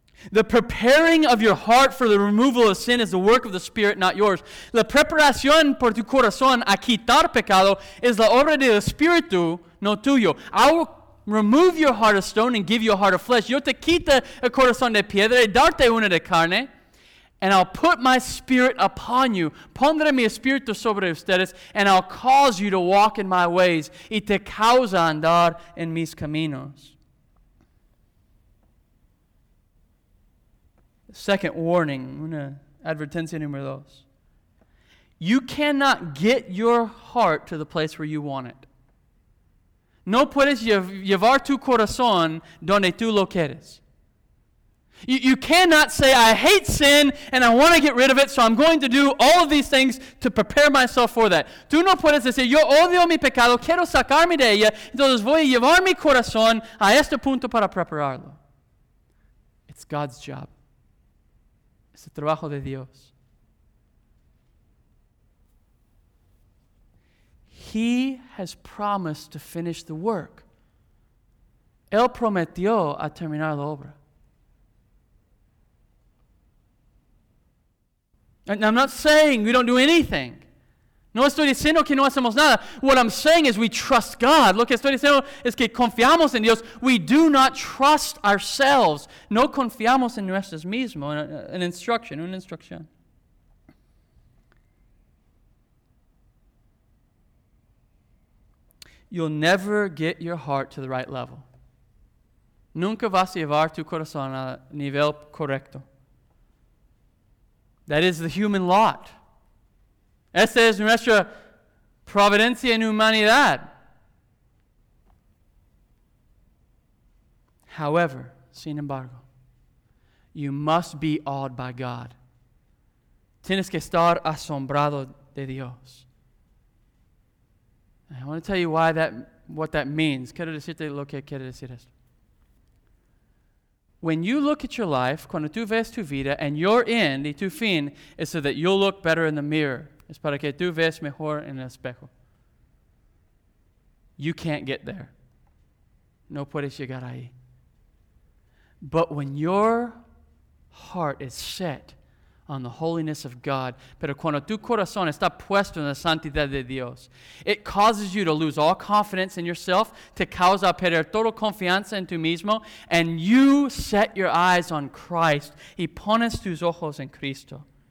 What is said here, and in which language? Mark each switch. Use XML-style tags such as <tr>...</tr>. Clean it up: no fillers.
<en>The preparing of your heart for the removal of sin is the work of the Spirit, not yours.</en> <es>La preparación por tu corazón a quitar pecado es la obra del Espíritu, no tuyo.</es> <en>I will remove your heart of stone and give you a heart of flesh.</en> <es>Yo te quito el corazón de piedra y darte una de carne.</es> <en>And I'll put my Spirit upon you.</en> <es>Pondré mi Espíritu sobre ustedes.</es> <en>And I'll cause you to walk in my ways.</en> <es>Y te causa andar en mis caminos.</es> <en>Second warning,</en> <es>una advertencia número dos.</es> <en>You cannot get your heart to the place where you want it.</en> <es>No puedes llevar tu corazón donde tú lo quieres.</es> <en>You cannot say, I hate sin and I want to get rid of it, so I'm going to do all of these things to prepare myself for that.</en> <es>Tú no puedes decir, yo odio mi pecado, quiero sacarme de ella, entonces voy a llevar mi corazón a este punto para prepararlo.</es> <en>It's God's job.</en> <es>Es el trabajo de Dios.</es> <en>He has promised to finish the work.</en> <es>Él prometió a terminar la obra.</es> <en>And I'm not saying we don't do anything.</en> <es>No estoy diciendo que no hacemos nada.</es> <en>What I'm saying is we trust God.</en> <es>Lo que estoy diciendo es que confiamos en Dios.</es> <en>We do not trust ourselves.</en> <es>No confiamos en nosotros mismos. Una instrucción.</es> <en>You'll never get your heart to the right level.</en> <es>Nunca vas a llevar tu corazón al nivel correcto.</es> <en>That is the human lot.</en> <es>Esa es nuestra providencia en humanidad.</es> <en>However,</en> <es>sin embargo,</es> <en>you must be awed by God.</en> <es>Tienes que estar asombrado de Dios.</es> <en>I want to tell you what that means.</en> <es>Quiero decirte lo que quiere decir esto.</es> <en>When you look at your life,</en> <es>cuando tú ves tu vida,</es> <en>and your end</en> <es>y tu fin</es> <en>is so that you'll look better in the mirror.</en> <es>Es para que tú ves mejor en el espejo.</es> <en>You can't get there.</en> <es>No puedes llegar ahí.</es> <en>But when your heart is set on the holiness of God,</en> <es>pero cuando tu corazón está puesto en la santidad de Dios,</es> <en>it causes you to lose all confidence in yourself,</en> <es>te causa perder toda confianza en tu mismo,</es> <en>and you set your eyes on Christ</en> <es>y pones tus ojos en Cristo.</es>